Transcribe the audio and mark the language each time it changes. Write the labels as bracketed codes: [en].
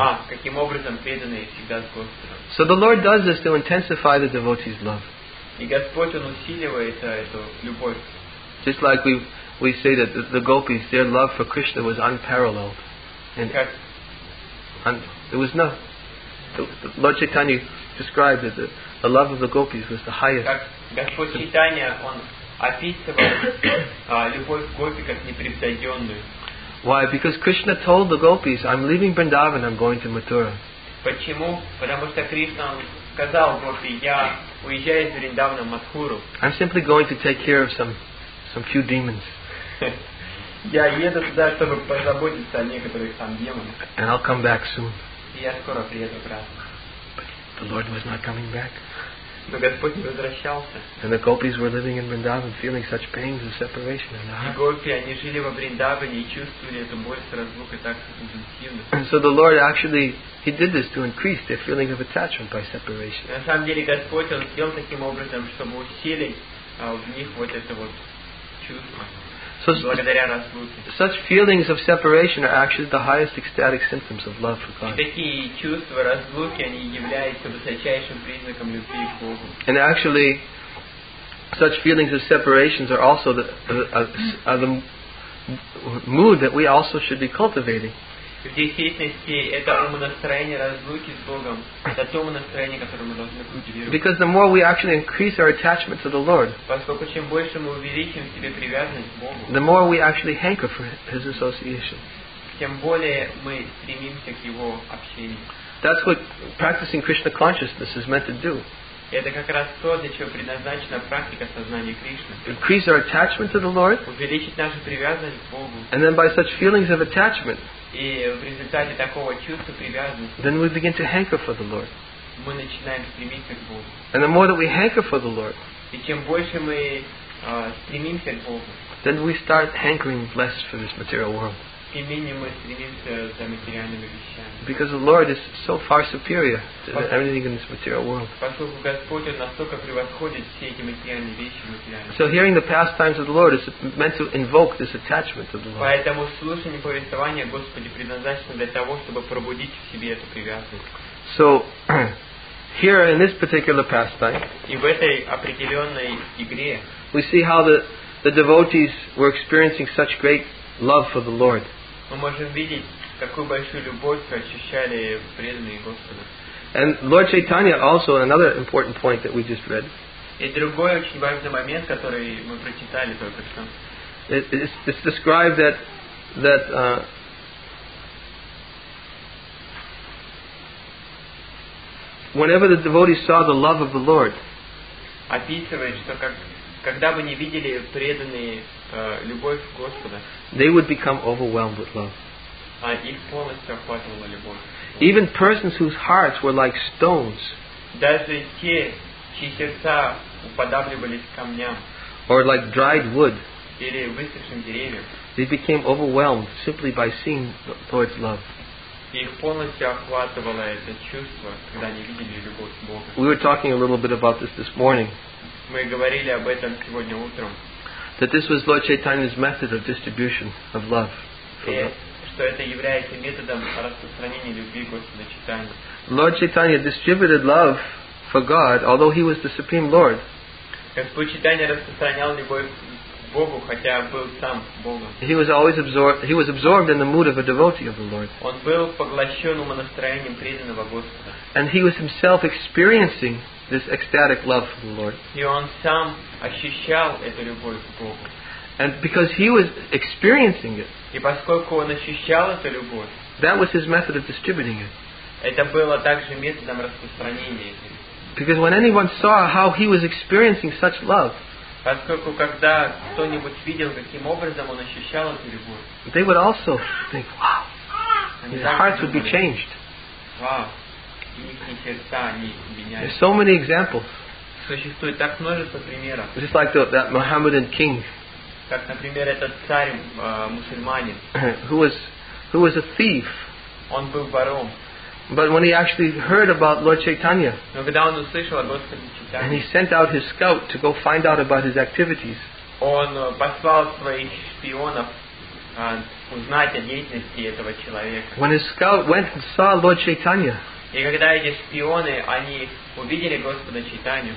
[ru] А, каким образом преданные всегда с Господом. [en] So the Lord does this to intensify the devotees' love. [ru] И Господь, он усиливает эту любовь. [en] Just like we say that the gopis, their love for Krishna was unparalleled. And there was no. The Lord Chaitanya described that the love of the gopis was the highest. [ru] Господь Чайтанья, он описывал любовь к гопи как непревзойденную. [en] Why? Because Krishna told the gopis, I'm leaving Vrindavan, I'm going to Mathura. [ru] Почему? Потому что Кришна сказал гопи, я уезжаю из Вриндавана в Матхуру. [en] I'm simply going to take care of some few demons. [ru] Я еду туда, чтобы позаботиться о некоторых там демонах. [en] And I'll come back soon. [ru] Я скоро приеду обратно. [en] The Lord was not coming back. [ru] Но Господь не возвращался. [en] And the gopis were living in Vrindavan, feeling such pains of separation. And [ru] и гопи, они жили во Вриндаване и чувствовали эту боль с разлукой так интенсивно. [en] And so the Lord actually, he did this to increase their feeling of attachment by separation. [ru] На самом деле Господь, он сделал таким образом, чтобы усилить в них вот это вот чувство. [en] So such feelings of separation are actually the highest ecstatic symptoms of love for God. [ru] Такие чувства разлуки, они являются высочайшим признаком любви к Богу. [en] And actually, such feelings of separations are also the mood that we also should be cultivating. [ru] В действительности, это умонастроение разлуки с Богом, это то умонастроение, которое мы должны культивировать. [en] Because the more we actually increase our attachment to the Lord, [ru] поскольку чем больше мы увеличим в себе привязанность к Богу, [en] the more we actually hanker for His association. [ru] Тем более мы стремимся к Его общению. [en] That's what practicing Krishna consciousness is meant to do. [ru] Это как раз то, для чего предназначена практика сознания Кришны. [en] Increase our attachment to the Lord. [ru] Увеличить нашу привязанность к Богу. [en] And then by such feelings of attachment. [ru] И в результате такого чувства привязанности. [en] Then we begin to hanker for the Lord. [ru] Мы начинаем стремиться к Богу. [en] And the more that we hanker for the Lord. [ru] И чем больше мы стремимся к Богу. [en] Then we start hankering less for this material world. [ru] Тем менее мы стремимся за материальными вещами. [en] Because the Lord is so far superior to anything in this material world. [ru] Поскольку Господь настолько превосходит все эти материальные вещи материальные. [en] So hearing the pastimes of the Lord is meant to invoke this attachment to the Lord. [ru] Поэтому слушание повествования Господи предназначено для того, чтобы пробудить в себе эту привязанность. [en] So here in this particular pastime. [ru] И в этой определенной игре. [en] We see how the devotees were experiencing such great love for the Lord. [ru] Мы можем видеть, какую большую любовь ощущали преданные Господа. [en] And Lord Chaitanya also another important point that we just read. [ru] И другой очень важный момент, который мы прочитали только что. [en] It's described that that whenever the devotee saw the love of the Lord, [ru] описывает, что как, когда бы не видели преданные любовь Господа, [en] they would become overwhelmed with love. [ru] Их полностью охватывала любовь. [en] Even persons whose hearts were like stones, [ru] даже те, чьи сердца уподобливались камням, [en] or like dried wood, [ru] или высохшим деревьям, [en] they became overwhelmed simply by seeing the Lord's love. [ru] Их полностью охватывало это чувство, когда они видели любовь Бога. [en] We were talking a little bit about this morning. [ru] Мы говорили об этом сегодня утром. [en] That this was Lord Chaitanya's method of distribution of love. [ru] Что это является методом распространения любви Господа Чайтанья. [en] Lord Chaitanya distributed love for God, although he was the Supreme Lord. [ru] Господь Чайтанья распространял любовь Богу, хотя был сам Богом. [en] He was always absorbed. He was absorbed in the mood of a devotee of the Lord. [ru] Он был поглощен умонастроением преданного Господа. [en] And he was himself experiencing this ecstatic love for the Lord. [ru] И он сам ощущал эту любовь к Богу. [en] And because he was experiencing it, [ru] и поскольку он ощущал эту любовь, [en] that was his method of distributing it. [ru] Это было также методом распространения этой. [en] Because when anyone saw how he was experiencing such love, [ru] поскольку когда кто-нибудь видел, каким образом он ощущал эту любовь, [en] they would also think, wow, his hearts would be changed. [ru] Wow. Их сердца, они меняются. [en] There's so many examples. [ru] Существует так множество примеров. [en] Just like that Mohammedan king, [ru] как, например, этот царь, мусульманин, [en] who was a thief. [ru] Он был вором. [en] But when he actually heard about Lord Chaitanya, [ru] но когда он услышал о Господе Чайтанье, [en] and he sent out his scout to go find out about his activities, [ru] он послал своих шпионов узнать о деятельности этого человека. [en] When his scout went and saw Lord Chaitanya, [ru] и когда эти шпионы, они увидели Господа Чайтанью,